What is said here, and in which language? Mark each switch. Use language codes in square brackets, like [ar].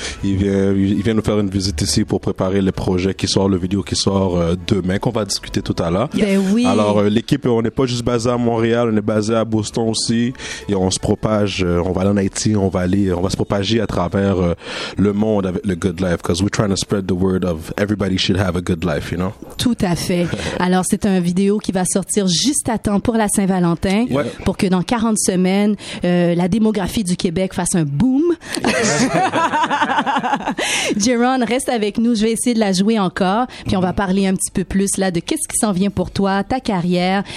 [fr] Il vient nous faire une visite ici pour préparer les projets qui sortent, le vidéo qui sort demain, qu'on va discuter tout à l'heure. Ben oui. Alors, l'équipe, on n'est pas juste basé à Montréal, on est basé à Boston aussi. Et on se propage, on va aller en Haïti, on va se propager à travers le monde. [en] Of the good life, because we're trying to spread the word of everybody should have a good life, you know? [fr] Tout à fait. Alors, c'est un vidéo qui va sortir juste à temps pour la Saint-Valentin, yeah. Pour que dans 40 semaines, la démographie du Québec fasse un boom. Jaron, reste avec nous. Je vais essayer de la jouer encore. Puis on va parler un petit peu plus là de qu'est-ce qui s'en vient pour toi, ta carrière.